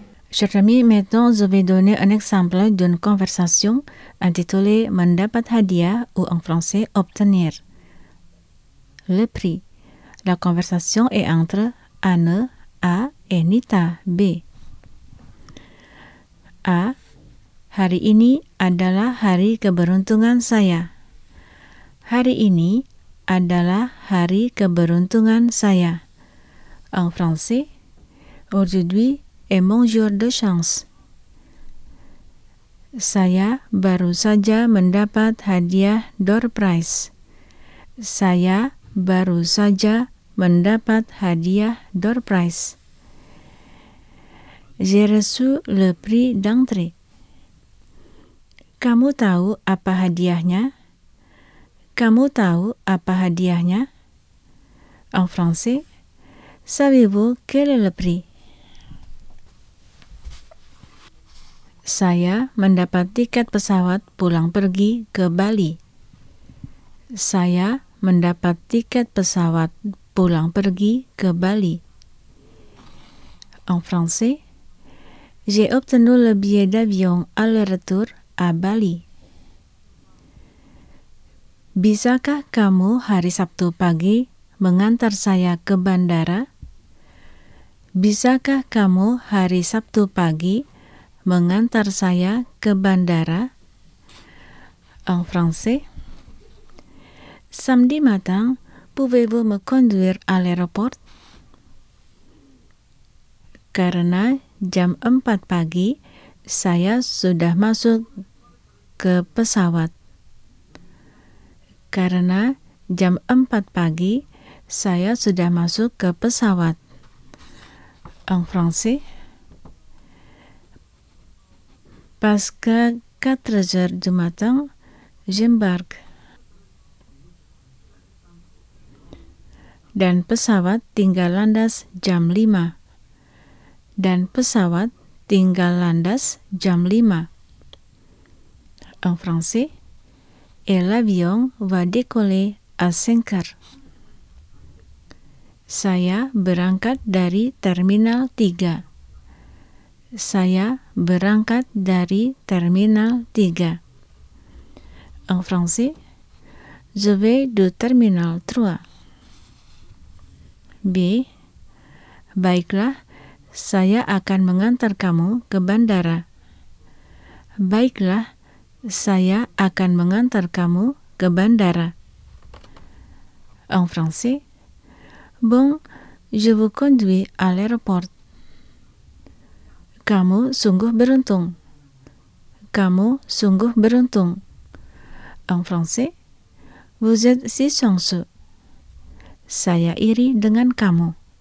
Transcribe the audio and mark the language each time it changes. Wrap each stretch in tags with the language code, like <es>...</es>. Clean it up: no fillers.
<fr>Chers amis, maintenant je vais donner un exemple d'une conversation intitulée « Mendapat hadiah » ou en français « Obtenir ». Le prix. La conversation est entre Anne A et Nita B. A.</fr> <id>Hari ini adalah hari keberuntungan saya. Hari ini adalah hari keberuntungan saya.</id> <fr>En français, aujourd'hui est mon jour de chance.</fr> <id>Saya baru saja mendapat hadiah door prize. Saya baru saja mendapat hadiah door prize.</id> <fr>J'ai reçu le prix d'entrée.</fr> <id>Kamu tahu apa hadiahnya? Kamu tahu apa hadiahnya?</id> <fr>En français, savez-vous quel est le prix?</fr> <id>Saya mendapat tiket pesawat pulang pergi ke Bali. Saya mendapat tiket pesawat pulang pergi ke Bali.</id> <fr>En français, j'ai obtenu le billet d'avion aller-retour à Bali.</fr> <id>Bisakah kamu hari Sabtu pagi mengantar saya ke bandara? Bisakah kamu hari Sabtu pagi mengantar saya ke bandara?</id> <fr>En français, samedi matin, pouvez-vous me conduire à l'aéroport?</fr> <id>Karena jam 4 pagi, saya sudah masuk ke pesawat. Karena jam 4 pagi, saya sudah masuk ke pesawat.</id> <fr>En français, parce que 4 heures du matin, j'embarque.</fr> <id>Dan pesawat tinggal landas jam 5. Dan pesawat tinggal landas jam 5.</id> <fr>En français, et l'avion va décoller à 5 heures.</fr> <id>Saya berangkat dari terminal 3. Saya berangkat dari terminal 3.</id> <fr>En français, je vais du terminal 3. B.</fr> <id>Baiklah, saya akan mengantar kamu ke bandara. Baiklah, saya akan mengantar kamu ke bandara.</id> <fr>En français, bon, je vous conduis à l'aéroport.</fr> <id>Kamu sungguh beruntung. Kamu sungguh beruntung.</id> <fr>En français, vous êtes si chanceux.</fr> <id>Saya iri dengan kamu.</id>